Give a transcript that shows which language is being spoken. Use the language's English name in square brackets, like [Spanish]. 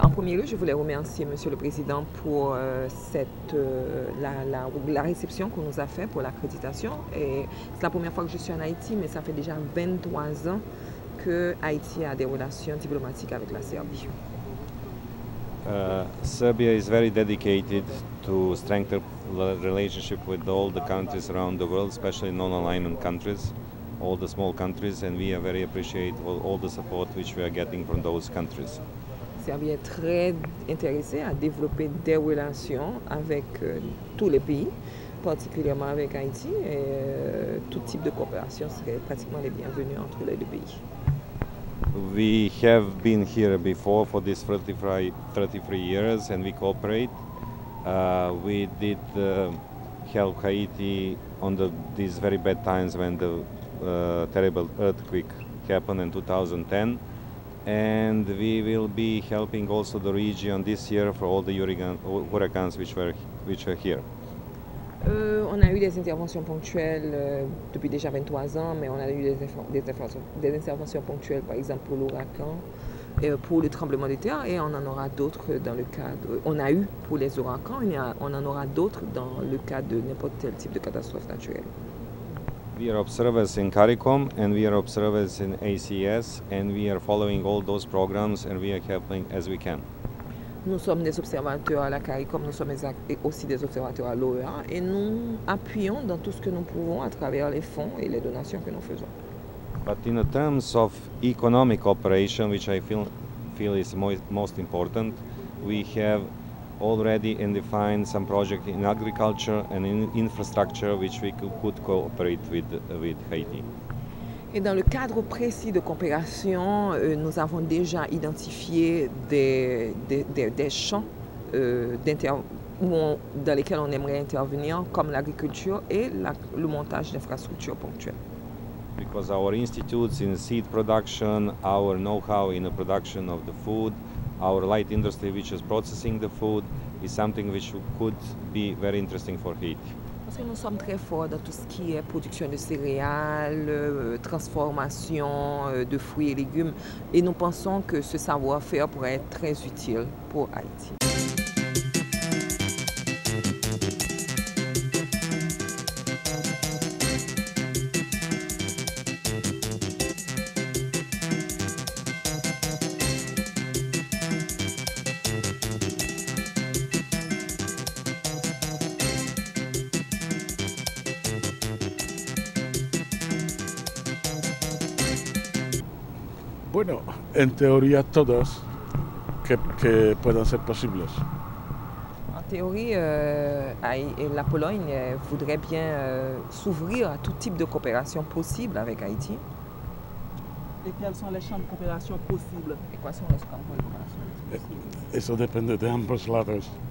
[French] En premier lieu, je voulais remercier Monsieur le Président pour la réception qu'on nous a fait pour l'accréditation. Et c'est la première fois que je suis en Haïti, mais ça fait déjà 23 ans que Haïti a des relations diplomatiques avec la Serbie. [English] Serbia is very dedicated to strengthen the relationship with all the countries around the world, especially non-alignment countries, all the small countries, and we are very appreciate all the support which we are getting from those countries. [French] Serbie est très intéressée à développer des relations avec tous les pays, particulièrement avec Haïti, et tout type de coopération serait pratiquement les bienvenus entre les deux pays. [English] We have been here before for this 33 years and we cooperate. We did help Haiti on these very bad times when the terrible earthquake happened in 2010. And we will be helping also the region this year for all the hurricanes which were here. [French] On a eu des interventions ponctuelles depuis déjà 23 ans, mais on a eu des interventions ponctuelles, par exemple pour l'ouragan, pour le tremblement de terre, et on en aura d'autres dans le cadre. On a eu pour les ouragans, on en aura d'autres dans le cadre de n'importe quel type de catastrophe naturelle. [English] We are observers in CARICOM and we are observers in ACS and we are following all those programs and we are helping as we can. [French] Nous sommes des observateurs à la CARICOM, nous sommes aussi des observateurs à l'OEA et nous appuyons dans tout ce que nous pouvons à travers les fonds et les donations que nous faisons. [English] But in terms of economic operation, which I feel is most important, we have already and defined some project in agriculture and in infrastructure which we could cooperate with Haiti. [French] Et dans le cadre précis de coopération, nous avons déjà identifié des champs dans lesquels on aimerait intervenir, comme l'agriculture et le montage d'infrastructures ponctuelles. [English] Because our institutes in seed production, our know-how in the production of the food, our light industry which is processing the food, is something which could be very interesting for Haiti. [French] Parce que nous sommes très forts dans tout ce qui est production de céréales, transformation de fruits et légumes. Et nous pensons que ce savoir-faire pourrait être très utile pour Haïti. [Spanish] Bueno, en teoría todas que puedan ser posibles. [French] En théorie, la Pologne voudrait bien s'ouvrir à tout type de coopération possible avec Haïti. Et quels sont les champs de coopération possibles? Et quels sont les champs de coopération possibles? Et ça dépend de [Spanish] ambos lados.